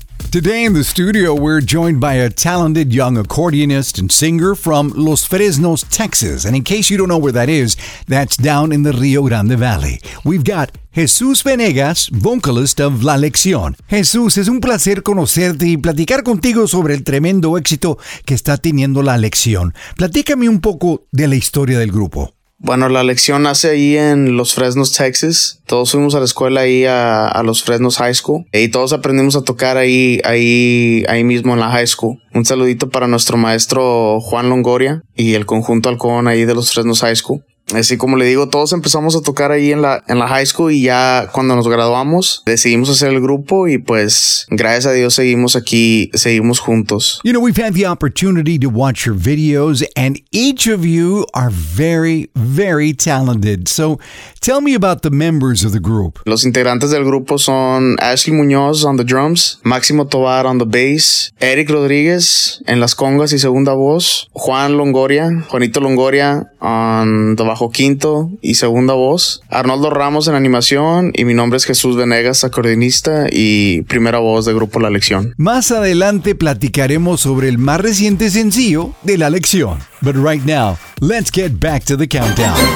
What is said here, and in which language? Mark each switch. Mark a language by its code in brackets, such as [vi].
[en] Today in the studio, we're joined by a talented young accordionist and singer from Los Fresnos, Texas. And in case you don't know where that is, that's down in the Rio Grande Valley. We've got Jesús Venegas, vocalist of La Lección. [es] Jesús, es un placer conocerte y platicar contigo sobre el tremendo éxito que está teniendo La Lección. Platícame un poco de la historia del grupo. Bueno, La Lección nace ahí en Los Fresnos, Texas. Todos fuimos a la escuela ahí a Los Fresnos High School y todos aprendimos a tocar ahí mismo en la High School. Un saludito para nuestro maestro Juan Longoria y el conjunto Halcón ahí de Los Fresnos High School. Así como le digo, todos empezamos a tocar ahí en la high school y ya cuando nos graduamos decidimos hacer el grupo y pues gracias a Dios seguimos aquí, seguimos juntos. [en] You know, we've had the opportunity to watch your videos and each of you are very, very talented. So tell me about the members of the group. [es] Los integrantes del grupo son Ashley Muñoz [en] on the drums, [es] Máximo Tovar [en] on the bass, [es] Eric Rodríguez en las congas y segunda voz, Juanito Longoria [en] on the [es] bajo quinto y segunda voz, Arnoldo Ramos en animación y mi nombre es Jesús Venegas, acordeonista y primera voz de grupo La Lección. Más adelante platicaremos sobre el más reciente sencillo de La Lección. [en] But right now, let's get back to the countdown.